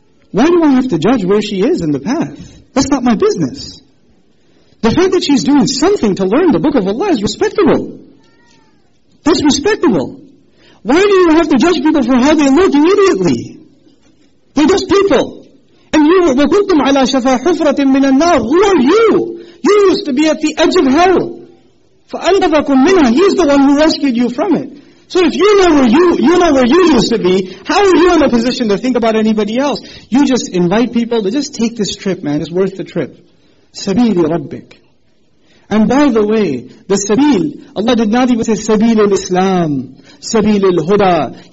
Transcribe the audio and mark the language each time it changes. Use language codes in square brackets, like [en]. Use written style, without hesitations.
[en] Why do I have to judge where she is in the path? That's not my business. The fact that she's doing something to learn the Book of Allah is respectable. That's respectable. Why do you have to judge people for how they look immediately? They're just people. And you, [ar] وَكُنْتُمْ عَلَى شَفَى حُفْرَةٍ مِّنَ النَّارِ. [en] Who are you? You used to be at the edge of hell. [ar] فَأَنْتَفَكُمْ مِنْهَا. [en] He's the one who rescued you from it. So if you know where you know where you used to be, how are you in a position to think about anybody else? You just invite people to just take this trip, man. It's worth the trip. [ar] سَبِيلِ رَبِّكَ. [en] And by the way, the سَبِيل, Allah did not even say [ar] سَبِيلِ الْإِسْلَامِ, سَبِيلِ الْهُدَى.